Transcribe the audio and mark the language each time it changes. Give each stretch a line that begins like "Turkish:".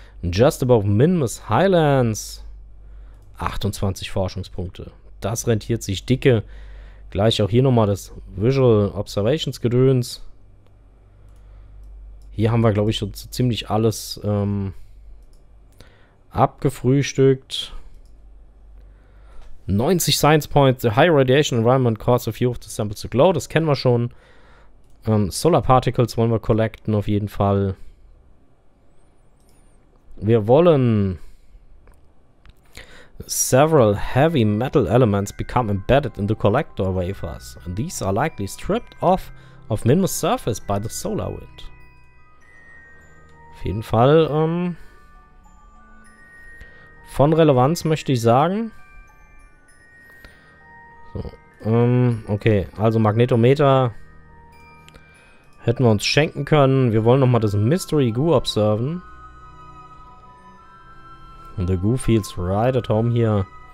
English: Just above Minmus Highlands.
German: 28 Forschungspunkte. Das rentiert sich dicke. Gleich auch hier nochmal das Visual Observations Gedöns. Hier haben wir, glaube ich, schon so ziemlich alles abgefrühstückt.
English: 90 Science Points. The high radiation environment caused a few of the samples to glow.
German: Das kennen wir schon. Solar Particles wollen wir collecten auf jeden Fall. Wir wollen
English: several heavy metal elements become embedded in the collector wafers. And these are likely stripped off of Minmus surface by the solar wind.
German: Auf jeden Fall von Relevanz, möchte ich sagen. So, okay, also Magnetometer hätten wir uns schenken können. Wir wollen nochmal das Mystery Goo observen.
English: And the Goo feels right at home here.